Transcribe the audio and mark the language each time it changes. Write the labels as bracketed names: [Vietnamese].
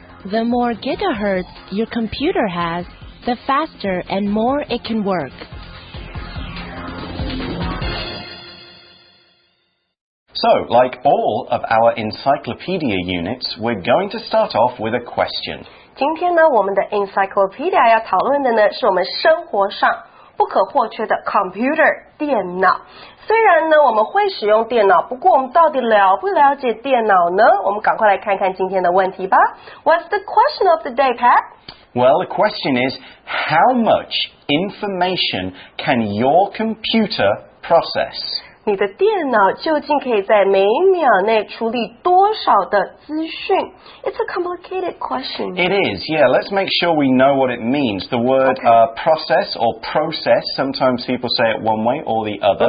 [English] The more gigahertz your computer has, the faster and more it can work. So, like all of our encyclopedia units, we're going to start off with a question. [Chinese] 今天呢，我们的 encyclopedia 要讨论的呢，是我们生活上不可或缺的 computer 电脑。虽然呢，我们会使用电脑，不过我们到底了不了解电脑呢？我们赶快来看看今天的问题吧。 [English] What's the question of the day, Pat? Well, the question is, how much information can your computer process? [Chinese] 你的电脑究竟可以在每秒内处理多少的资讯？ [English] It's a complicated question. It is, yeah. Let's make sure we know what it means. The word process or process, sometimes people say it one way or the other.